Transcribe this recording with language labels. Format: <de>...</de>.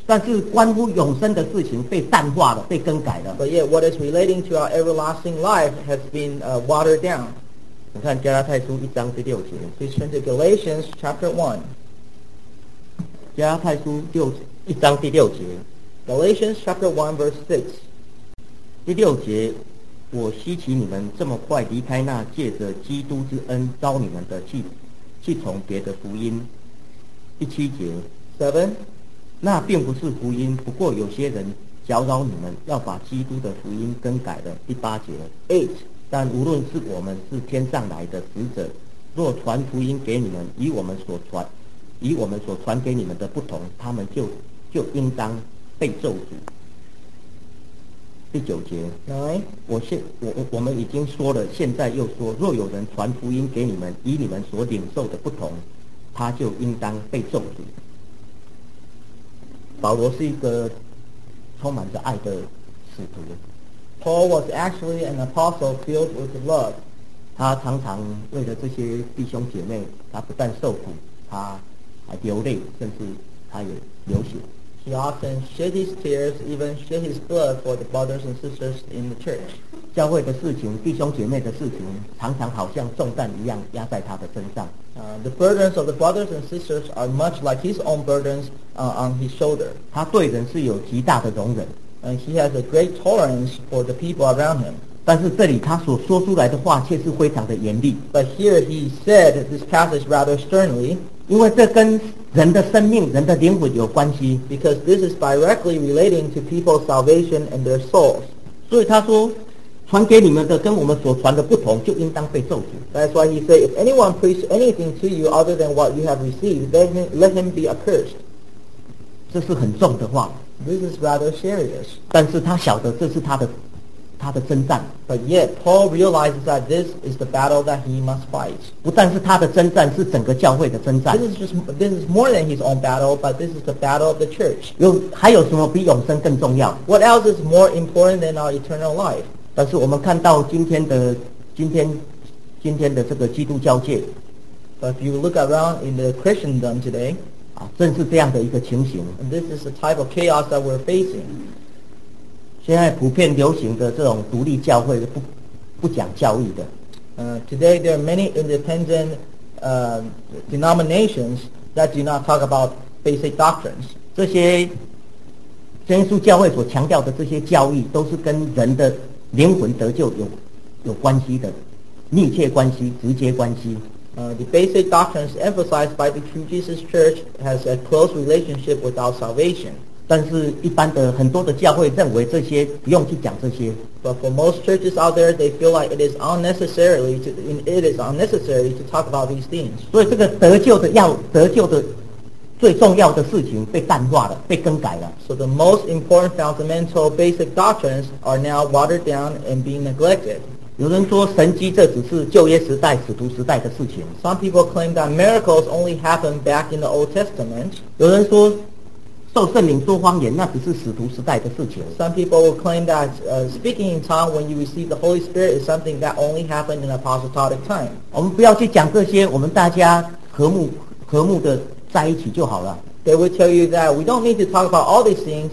<zh>但是关乎永生的事情被淡化了，被更改了，</zh> <en>but yet what is relating to our everlasting life has been watered down.</en> <zh>你看加拉太书一章第六节。</zh> <en>Please turn to Galatians chapter</en> <zh>1. 加拉太书一章第六节。</zh> <en>Galatians chapter 1 verse 6.</en> <zh>第六节，我稀奇你们这么快离开那借着基督之恩招你们的去从别的福音。第七节。</zh> <en>7.</en> <zh>那并不是福音，不过有些人搅扰你们，要把基督的福音更改了。第八节。</zh> <en>8.</en> <zh>但无论是我们是天上来的使者，若传福音给你们，以我们所传给你们的不同，他们就应当被咒诅。第九节。</zh> <en>9.</en> <zh>我们已经说了，现在又说，若有人传福音给你们，以你们所领受的不同，他就应当被咒诅。保罗是一个充满着爱的使徒。</zh> <en>Paul was actually an apostle filled with love.</en> <zh>他常常为了这些弟兄姐妹，他不但受苦，他还流泪，甚至他也流血。</zh> <en>He often shed his tears, even shed his blood for the brothers and sisters in the church.</en> <zh>教会的事情，弟兄姐妹的事情，常常好像重担一样压在他的身上。</zh> <en>The burdens of the brothers and sisters are much like his own burdens on his shoulder.</en> <zh>他对人是有极大的容忍。</zh> <en>And he has a great tolerance for the people around him.</en> <zh>但是这里他所说出来的话却是非常的严厉。</zh> <en>But here he said this passage rather sternly.</en> <zh>因为这跟人的生命、人的灵魂有关系。</zh> <en>Because this is directly relating to people's salvation and their souls.</en> <zh>所以他说，传给你们的跟我们所传的不同，就应当被咒诅。</zh> <en>That's why he said, if anyone preaches anything to you other than what you have received, then let him be accursed.</en> <zh>这是很重的话。</zh> <en>This is rather serious.</en> <zh>但是他晓得这是他的征战。</zh> <en>But yet, Paul realizes that this is the battle that he must fight.</en> <zh>不但是他的征战，是整个教会的征战。</zh> <en>This is more than his own battle, but this is the battle of the church.</en> <zh>还有什么比永生更重要？</zh> <en>What else is more important than our eternal life?</en> <zh>但是我们看到今天的这个基督教界</zh> <en>，But if you look around in the Christendom today，</en> <zh>啊，正是这样的一个情形。</zh> <en>And this is the type of chaos that we're facing。</en> <zh>现在普遍流行的这种独立教会不讲教义的。</zh> <en>Today there are many independent denominations that do not talk about basic doctrines。</en> <zh>这些真耶稣教会所强调的这些教义，都是跟人的灵魂得救有关系的，密切关系，直接关系。</zh> <en>The basic doctrines emphasized by the True Jesus Church has a close relationship with our salvation.</en> <zh>但是一般的很多的教会认为这些不用去讲这些。</zh> <en>But for most churches out there, they feel like it is unnecessary to talk about these things.</en> <zh>所以这个得救的最重要的事情被淡化了，被更改了。</zh> <en>So the most important fundamental basic doctrines are now watered down and being neglected.</en> <zh>有人说神迹这只是旧约时代、使徒时代的事情。</zh> <en>Some people claim that miracles only happened back in the Old Testament.</en> <zh>有人说受圣灵说方言那只是使徒时代的事情。</zh> <en>Some people will claim that speaking in tongues when you receive the Holy Spirit is something that only happened in apostolic time.</en> <zh>我们不要去讲这些，我们大家和睦的在一起就好了。</zh> <en>They will tell you that we don't need to talk about all these things.</en>